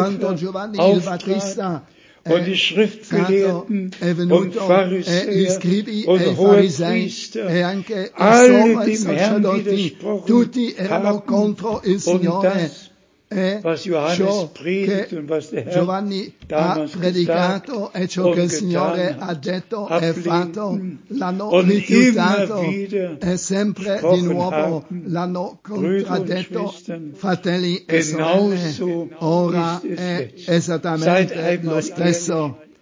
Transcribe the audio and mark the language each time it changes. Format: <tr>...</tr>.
<it>quando Giovanni il Battista</it> <de>und die Schriftgelehrten und Pharisäer und Hohepriester, alle dem Herrn widersprochen</de> <it>tutti erano contro il Signore.</it> <de>Was Johannes predigt und was der Herr</de> <it>Giovanni ha predicato e ciò che il Signore ha detto e fatto l'hanno rifiutato e sempre di nuovo l'hanno contraddetto, fratelli e sorelle. Ora è esattamente lo stesso.</it>